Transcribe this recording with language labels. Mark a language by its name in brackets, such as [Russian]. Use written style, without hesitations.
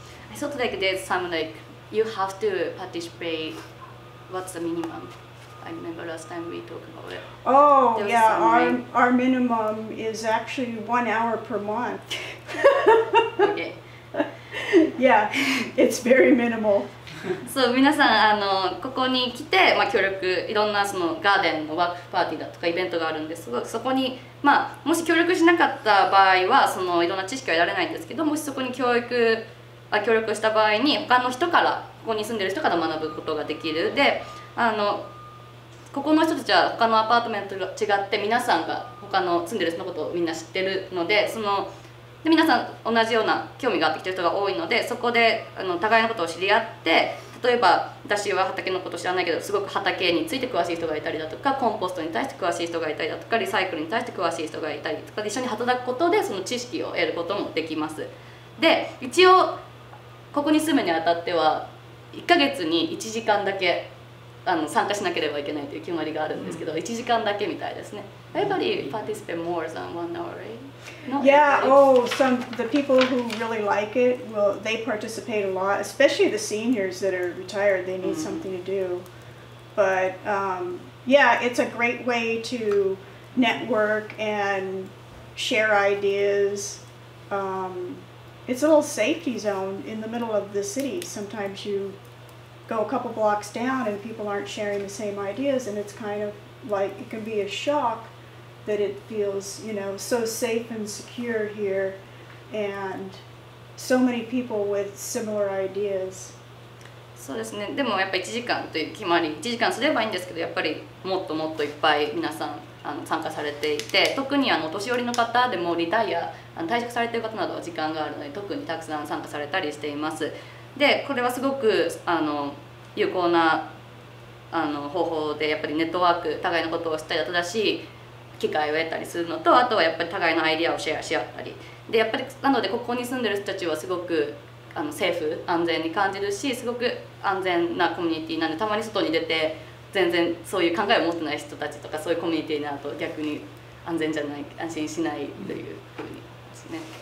[English] I thought like there's some like, you have to participate, what's the minimum? I remember last time we talked about it. Oh, yeah, our minimum is actually 1 hour per month. Okay. Yeah, it's very minimal. [Japanese] そう、皆さんここに来て、まあ、協力、いろんなそのガーデンのワークパーティーだとかイベントがあるんですが、そこに、まあ、もし協力しなかった場合はそのいろんな知識は得られないんですけど、もしそこに協力した場合に他の人から、ここに住んでる人から学ぶことができる。で、ここの人たちは他のアパートメントと違って皆さんが他の住んでる人のことをみんな知ってるので、その。で皆さん同じような興味があってきてる人が多いので、そこで互いのことを知り合って、例えば私は畑のこと知らないけどすごく畑について詳しい人がいたりだとか、コンポストに対して詳しい人がいたりだとか、リサイクルに対して詳しい人がいたりとかで、一緒に働くことでその知識を得ることもできます。で一応ここに住むにあたっては1ヶ月に1時間だけ参加しなければいけないという決まりがあるんですけど、1時間だけみたいですね。 [English] Everybody participate more than 1 hour, right? Not yeah, oh, some the people who really like it, well, they participate a lot, especially the seniors that are retired, they need something to do. But yeah, it's a great way to network and share ideas. It's a little safety zone in the middle of the city. Sometimes you go a couple blocks down and people aren't sharing the same ideas, and it's kind of like it can be a shock that it feels, you know, so safe and secure here, and so many people with similar ideas. [Japanese] そうですね。でもやっぱり1時間という決まり、1時間すればいいんですけど、やっぱりもっともっといっぱい皆さん参加されていて、特にお年寄りの方でもリタイア、退職されている方などは時間があるので、特にたくさん参加されたりしています。で、これはすごく有効な方法で、やっぱりネットワーク、互いのことを知ったり、正しい機会を得たりするのと、あとはやっぱり互いのアイディアをシェアし合ったり、でやっぱりなのでここに住んでる人たちはすごくセーフ、安全に感じるし、すごく安全なコミュニティなんで、たまに外に出て全然そういう考えを持ってない人たちとか、そういうコミュニティになると逆に安全じゃない、安心しないというふうにですね。